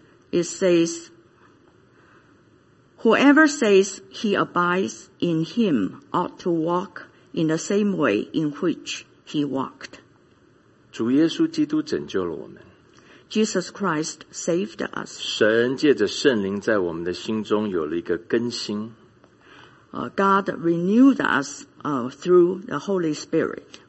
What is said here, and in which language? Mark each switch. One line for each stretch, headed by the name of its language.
English: It says, "Whoever says he abides in him ought to walk in the same way in which he walked."
Chinese: 主耶稣基督拯救了我们。
English: Jesus Christ saved us.
Chinese: 神借着圣灵在我们的心中有了一个更新。
English: God renewed us through the Holy Spirit.